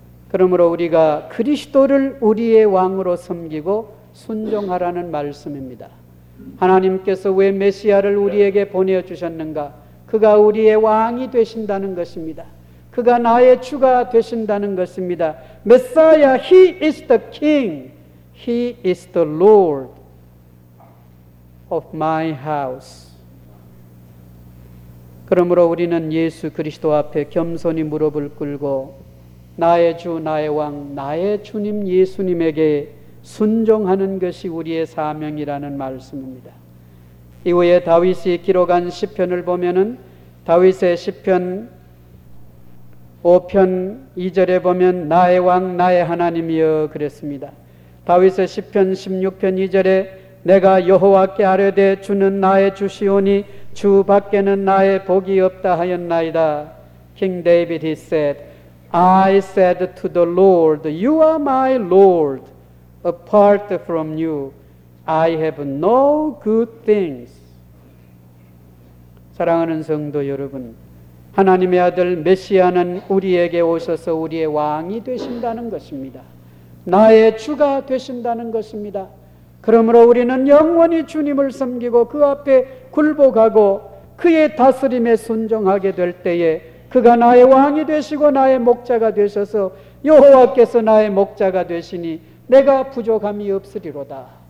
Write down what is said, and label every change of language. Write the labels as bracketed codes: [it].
[ko] 그러므로 우리가 그리스도를 우리의 왕으로 섬기고 순종하라는 말씀입니다. 하나님께서 왜 메시아를 우리에게 보내주셨는가? 그가 우리의 왕이 되신다는 것입니다. 그가 나의 주가 되신다는 것입니다. [en] 메시아, He is the King. He is the Lord of my house. [ko] 그러므로 우리는 예수 그리스도 앞에 겸손히 무릎을 꿇고 나의 주, 나의 왕, 나의 주님 예수님에게 순종하는 것이 우리의 사명이라는 말씀입니다. 이후에 다윗이 기록한 시편을 보면은 다윗의 시편 5편 2절에 보면 나의 왕 나의 하나님이여 그랬습니다. 다윗의 시편 16편 2절에 내가 여호와께 아뢰되 주는 나의 주시오니 주 밖에는 나의 복이 없다 하였나이다. [en] King David he said, I said to the Lord, You are my Lord. Apart from you, I have no good things. [ko] 사랑하는 성도 여러분, 하나님의 아들 메시아는 우리에게 오셔서 우리의 왕이 되신다는 것입니다. 나의 주가 되신다는 것입니다. 그러므로 우리는 영원히 주님을 섬기고 그 앞에 굴복하고 그의 다스림에 순종하게 될 때에 그가 나의 왕이 되시고 나의 목자가 되셔서 여호와께서 나의 목자가 되시니 내가 부족함이 없으리로다.